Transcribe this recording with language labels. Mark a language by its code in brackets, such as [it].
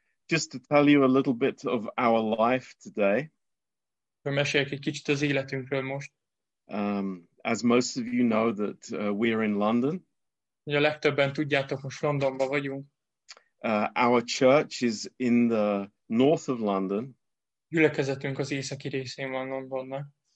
[en] Just to tell you a little bit of our life today. [hu] Meséljek egy kicsit az életünkről most. [en] As most of you know that we are in London. [hu] A legtöbben tudjátok, most Londonban vagyunk. [en] Our church is in the north of London. [hu] Gyülekezetünk az északi részén van Londonnak.